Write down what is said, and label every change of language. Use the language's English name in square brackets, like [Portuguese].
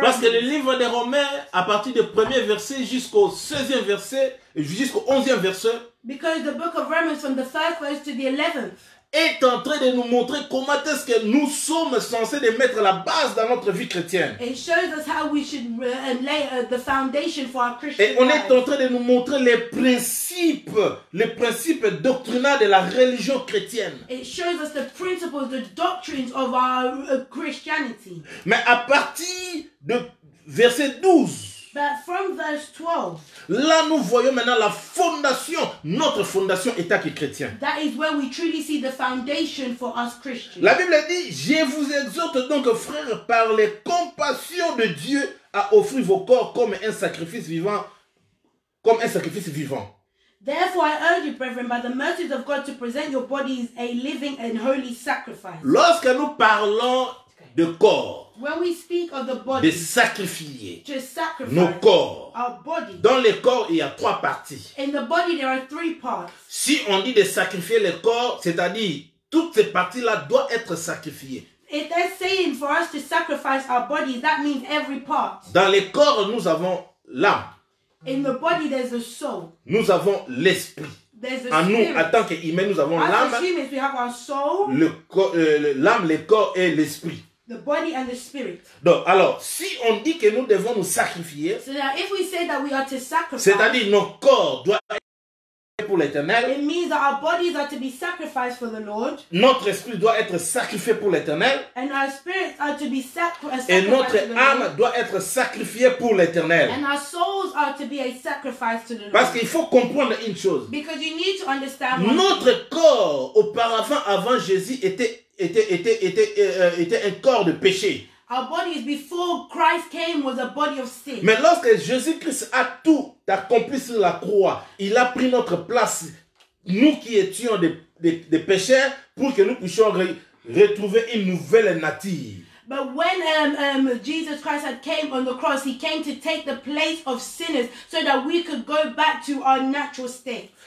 [French] Parce que le livre des Romains, à partir du premier verset jusqu'au 16e verset, jusqu'au 11e verset, [English] because the book of Romans from the first verse to the 11th [French] est en train de nous montrer comment est-ce que nous sommes censés de mettre la base dans notre vie chrétienne. [English] It shows us how we should lay the foundation for our Christian [French] et on [English] life. [French] Est en train de nous montrer les principes doctrinaux de la religion chrétienne. [English] It shows us the principles, the doctrines of our Christianity. [French] Mais à partir de verset 12, [English] but from verse 12, [French] là nous voyons maintenant la fondation, notre fondation étant chrétien. [English] That is where we truly see the foundation for us Christians. [French] La Bible dit, je vous exhorte donc frères par les compassions de Dieu à offrir vos corps comme un sacrifice vivant, comme un sacrifice vivant. [English] Therefore I urge you brethren by the mercies of God to present your bodies a living and holy sacrifice. [French] Lorsque nous parlons de corps, [English] when we speak of the body, [French] de sacrifier [English] to sacrifice [French] nos corps, [English] our body. [French] Dans le corps, il y a trois parties. [English] In the body, there are three parts. [French] Si on dit de sacrifier le corps, c'est-à-dire toutes ces parties-là doivent être sacrifiées. [English] If they're saying for us to sacrifice our body, that means every part. [French] Dans le corps, nous avons l'âme. [English] In the body, there's a soul. [French] Nous avons l'esprit. [English] There's [French] a en nous, [English] spirit. [French] En tant qu'humains, nous avons [English] as [French] l'âme. [English] As humans, we have our soul. [French] Le l'âme, le corps et l'esprit. [English] The body and the spirit. [French] Donc, alors, si on dit que nous devons nous sacrifier, [English] so that if we say that we are to sacrifice, [French] c'est-à-dire nos corps doivent être pour l'Éternel, [English] it means that our bodies are to be sacrificed for the Lord. [French] Notre esprit doit être sacrifié pour l'Éternel. [English] And our spirits are to be sacrificed. [French] Et notre âme doit être sacrifiée pour l'Éternel. [English] And our souls are to be a sacrifice to the Lord. [French] Parce qu'il faut comprendre une chose. [English] Because you need to understand. [French] Notre corps, auparavant, avant Jésus, était un corps de péché. [English] Our bodies before Christ came was a body of sin. [French] Mais lorsque Jésus-Christ a tout accompli sur la croix, il a pris notre place, nous qui étions des pécheurs, pour que nous puissions retrouver une nouvelle nature. [English] But when Jesus Christ had came on the cross, he came to take the place of sinners so that we could go back to our natural state.